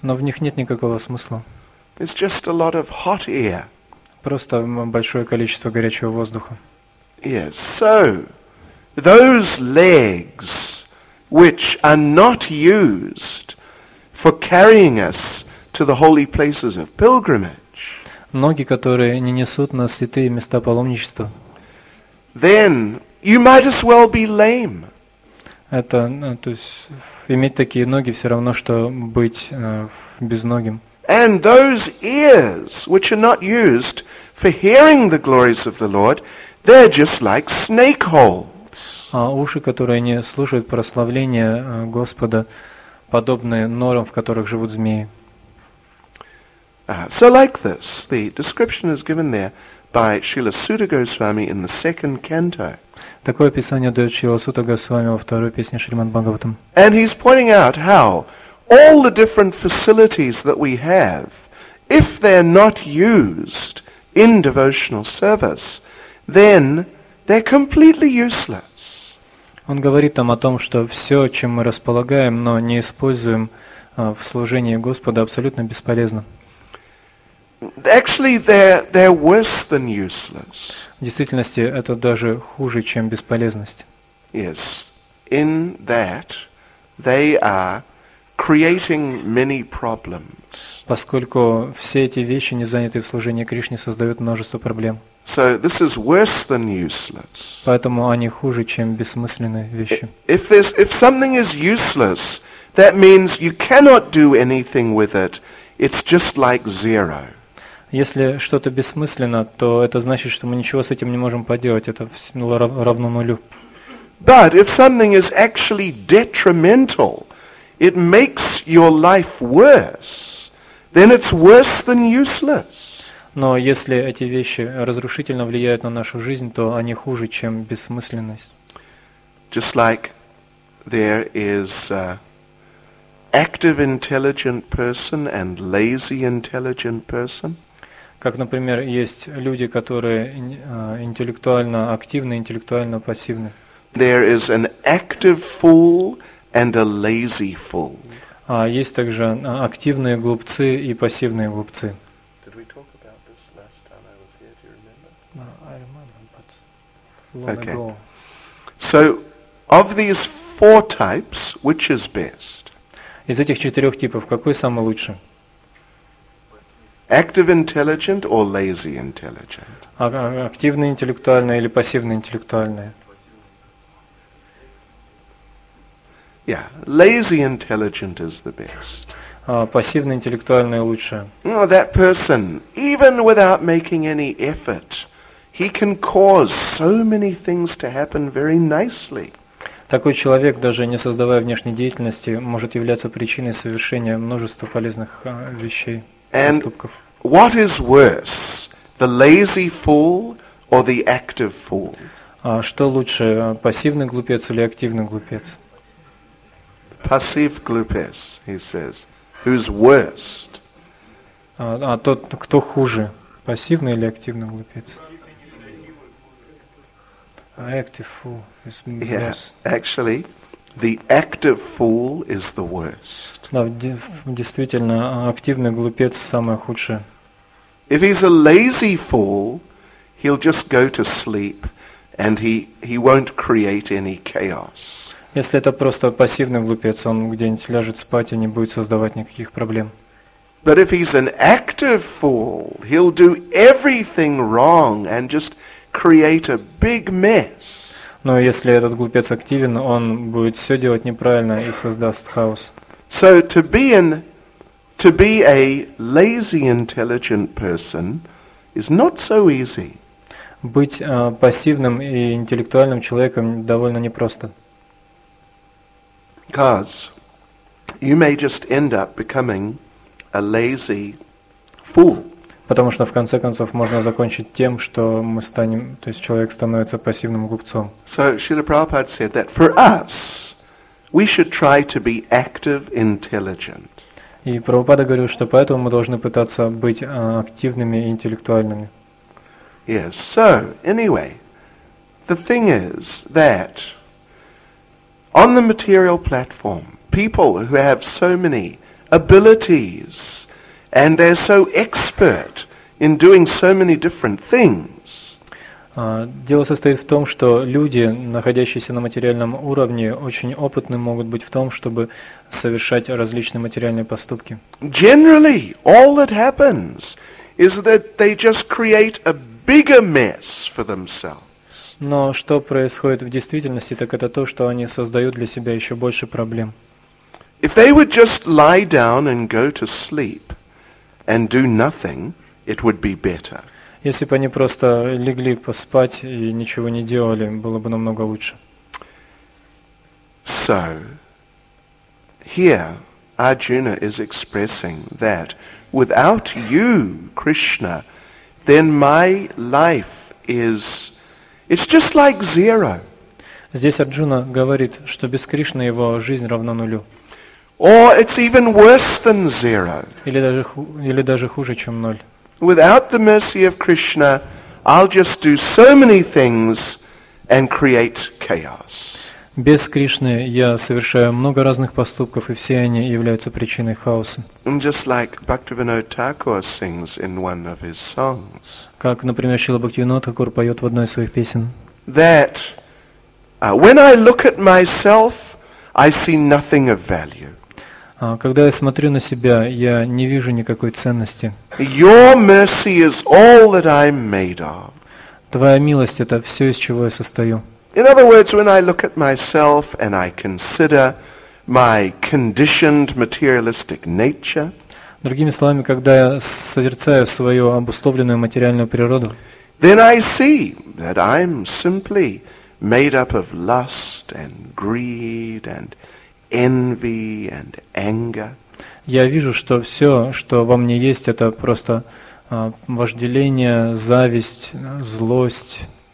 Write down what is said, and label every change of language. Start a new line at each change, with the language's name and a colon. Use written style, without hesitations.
Russian: Но в них нет никакого смысла.
English: It's just a lot of hot air.
Russian: Просто большое количество горячего воздуха.
English: Yes, so those legs which are not used for carrying us to the holy places of pilgrimage.
Russian: Ноги, которые не несут нас в святые места паломничества.
English: Then you might as well be lame.
Russian: Это, то есть, иметь такие ноги все равно, что быть безногим.
English: And those ears, which are not used for hearing the glories of the Lord, they're just like snake holes.
Russian: А уши, которые не слушают прославления Господа, подобные норам, в которых живут змеи.
English: So like this, the description is given there by Srila Suta Goswami in the second canto.
Russian: Такое описание дает Шрила Сута Госвами во второй песне Шримад Бхагаватам.
English: And he's pointing out how all the different facilities that we have, if they're not used in devotional service, then they're completely useless.
Russian: Он говорит там о том, что все, чем мы располагаем, но не используем в служении Господа, абсолютно бесполезно.
English: Actually, they're worse than useless.
Russian: В действительности, это даже хуже, чем бесполезность.
English: Yes, in that they are creating many problems.
Russian: Поскольку все эти вещи, не занятые в служении Кришне, создают множество проблем.
English: So this is worse than useless.
Russian: Поэтому они хуже, чем бессмысленные вещи.
English: If something is useless, that means you cannot do anything with it. It's just like zero.
Russian: Если что-то бессмысленно, то это значит, что мы ничего с этим не можем поделать. Это равно нулю.
English: But if something is actually detrimental, it makes your life worse, then it's worse than useless.
Russian: Но если эти вещи разрушительно влияют на нашу жизнь, то они хуже, чем бессмысленность.
English: Just like there is active intelligent person and lazy intelligent person.
Russian: Как, например, есть люди, которые интеллектуально активны, интеллектуально пассивны.
English: There is an active fool and a lazy fool.
Russian: А есть также активные глупцы и пассивные глупцы.
English: Did we talk about this last time I was here? Do you remember? I remember, but long okay. ago. So, of these four types, which is best?
Russian: Из этих четырех типов какой самый лучший?
English: Active intelligent or lazy intelligent?
Russian: Активный интеллектуальный или пассивный интеллектуальный?
English: Yeah, lazy intelligent is the best.
Russian: Пассивный интеллектуальный лучше.
English: No, that person, even without making any effort, he can cause so many things to happen very nicely.
Russian: Такой человек, даже не создавая внешней деятельности, может являться причиной совершения множества полезных вещей, поступков.
English: What is worse, the lazy fool or the active fool?
Russian: Что лучше, пассивный глупец или активный глупец?
English: Passive glupes, he says. Who's worst?
Russian: А тот, кто хуже, пассивный или активный глупец?
English: Active fool is worse. Yeah, actually, the active fool is the worst.
Russian: Да, действительно, активный глупец самое худшее.
English: If he's a lazy fool, he'll just go to sleep, and he won't create any chaos.
Russian: Если это просто пассивный глупец, он где-нибудь ляжет спать и не будет создавать никаких проблем.
English: But if he's an active fool, he'll do everything wrong and just create a big mess.
Russian: Но если этот глупец активен, он будет все делать неправильно и создаст хаос.
English: So to be a lazy, intelligent person is not so easy.
Russian: Быть пассивным и интеллектуальным человеком довольно непросто.
English: Because you may just end up becoming a lazy fool.
Russian: Потому что в конце концов можно закончить тем, что мы станем, то есть человек становится пассивным глупцом.
English: So Srila Prabhupada said that for us we should try to be active, intelligent.
Russian: И Прабхупада говорил, что поэтому мы должны пытаться быть активными и интеллектуальными.
English: Yes. So anyway, the thing is that on the material platform, people who have so many abilities and they're so expert in doing so many different things.
Russian: Дело состоит в том, что люди, находящиеся на материальном уровне, очень опытны могут быть в том, чтобы совершать различные материальные поступки.
English: Generally, all that happens is that they just create a bigger mess for themselves.
Russian: Но что происходит в действительности, так это то, что они создают для себя еще больше проблем.
English: If they would just lie down and go to sleep and do nothing, it would be better.
Russian: Если бы они просто легли поспать и ничего не делали, было бы намного лучше.
English: So, here Arjuna is expressing that without you, Krishna, then my life is... It's just like zero.
Russian: Здесь Арджуна говорит, что без Кришны его жизнь равна нулю.
English: Or it's even worse than zero.
Russian: Или даже хуже, чем ноль.
English: Without the mercy of Krishna, I'll just do so many things and create chaos.
Russian: Без Кришны я совершаю много разных поступков, и все они являются причиной хаоса.
English: And just like Bhaktivinoda Thakur sings in one of his songs.
Russian: Как, например, Шрила Бхактивинода Тхакур поет в одной из своих песен.
English: That when I look at myself, I see nothing of value.
Russian: Когда я смотрю на себя, я не вижу никакой ценности.
English: Your mercy is all that I'm made of.
Russian: Твоя милость — это все, из чего я состою.
English: In other words, when I look at myself and I consider my conditioned materialistic nature.
Russian: Другими словами, когда я созерцаю свою обусловленную материальную природу,
English: then I see that I'm simply made up of lust and greed and envy and anger.
Russian: Я вижу, что все, что во мне есть, это просто вожделение, зависть, злость.